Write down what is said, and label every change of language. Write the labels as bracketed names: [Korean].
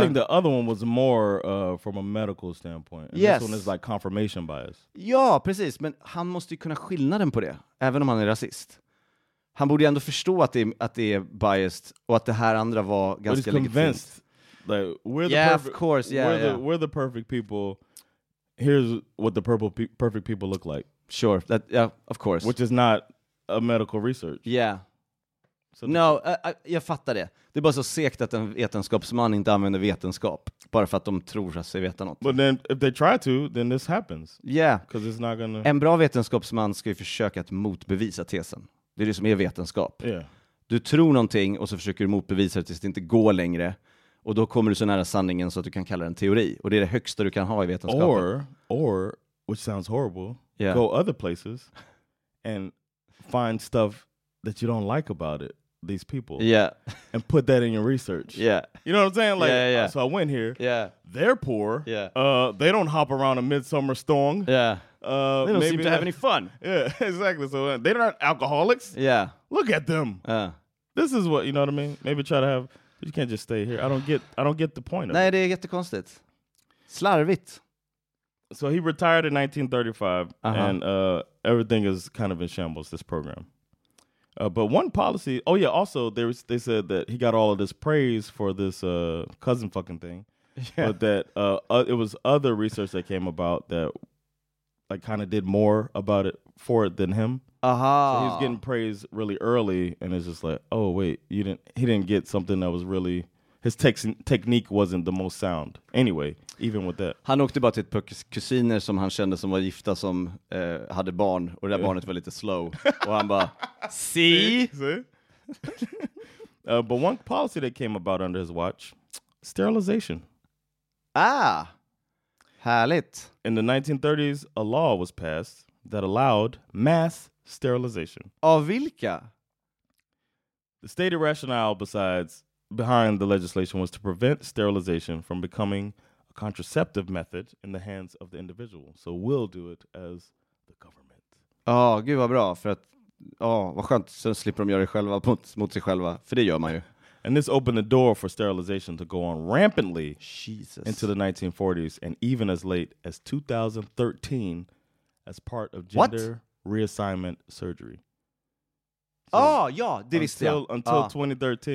[English] I think the other one was more from a medical standpoint. And yes. This one is like confirmation bias. [Swedish] Ja, precis. Men han måste ju kunna skillnaden på det, även om han är rasist. Han borde ju ändå förstå att det är biased och att det här andra var ganska legitimt. [English] But he's convinced. Like, we're the perfect, of course, yeah, We're the perfect people. Here's what the perfect people look like. Sure, that, yeah, of course. Which is not a medical research. Yeah. So no, [Swedish] jag fattar det. Det är bara så sekt att en vetenskapsman inte använder vetenskap bara för att de tror att sig veta något. [English] But then, if they try to, then this happens. Yeah. Because it's not gonna... [Swedish] En bra vetenskapsman ska ju försöka att motbevisa tesen. Det är det som är vetenskap. [English] Yeah. [Swedish] Du tror någonting och så försöker du motbevisa det tills det inte går längre. Och då kommer du så nära sanningen så att du kan kalla det en teori. Och det är det högsta du kan ha i vetenskapen. [English] Or, which sounds horrible, yeah, go other places and find stuff that you don't like about it, these people. Yeah. And put that in your research. Yeah. You know what I'm saying? Like, yeah, yeah. Oh, so I went here. Yeah. They're poor. Yeah. They don't hop around a midsummer storm. Yeah. They don't seem to have any fun. Yeah, exactly. So they're not alcoholics. Yeah. Look at them. This is what, you know what I mean? Maybe try to have... You can't just stay here. I don't get the point of [Swedish] Nej, [English] it. [Swedish] Nej, det är jättekonstigt. Slarvigt. [English] So he retired in 1935. Uh-huh. And everything is kind of in shambles, this program. But one policy... Oh, yeah, also, they said that he got all of this praise for this cousin fucking thing. Yeah. But that it was other research that came about that like kind of did more about it for it than him. Uh-huh. So he's getting praise really early, and it's just like, oh wait, he didn't get something that was really his technique wasn't the most sound. Anyway, even with that. [Swedish] Han åkte bara till ett par kusiner som han kände som var gifta som hade barn, och det där barnet var lite slow. Och han bara, see? [English] But one policy that came about under his watch, sterilization. [Swedish] Ah. Härligt. [English] In the 1930s, a law was passed that allowed mass sterilization. [Swedish] Av vilka? [English] The stated rationale behind the legislation was to prevent sterilization from becoming a contraceptive method in the hands of the individual. So we'll do it as the government. [Swedish] Åh, gud vad bra. För att, vad skönt. Så slipper de göra det själva mot sig själva. För det gör man ju. [English] And this opened the door for sterilization to go on rampantly. Jesus. Into the 1940s and even as late as 2013 as part of gender... What? Reassignment surgery. So oh, yeah, [Swedish] ja, det visste jag. [English] Until 2013,